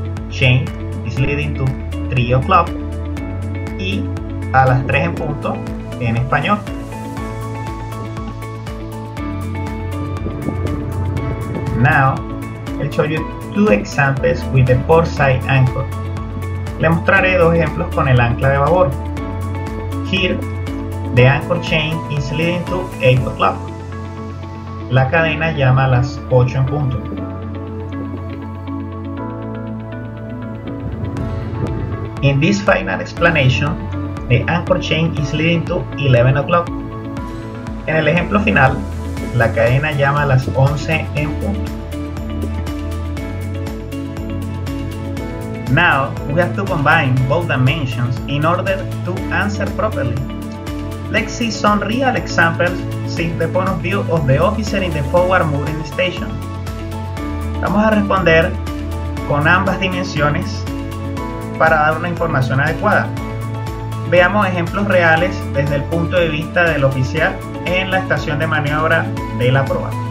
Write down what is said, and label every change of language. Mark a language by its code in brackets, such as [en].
[en] Chain is leading to 3 o'clock [es] y a las 3 en punto en español. [en] Now, I'll show you two examples with the port side anchor. [es] Le mostraré dos ejemplos con el ancla de babor. [en] Here, the anchor chain is leading to 8 o'clock. [es] La cadena llama a las 8 en punto. [en] In this final explanation, the anchor chain is leading to 11 o'clock. [es] En el ejemplo final, la cadena llama a las 11 en punto. [en] Now, we have to combine both dimensions in order to answer properly. Let's see some real examples since the point of view of the officer in the forward mooring station. [es] Vamos a responder con ambas dimensiones para dar una información adecuada. Veamos ejemplos reales desde el punto de vista del oficial en la estación de maniobra de la proa.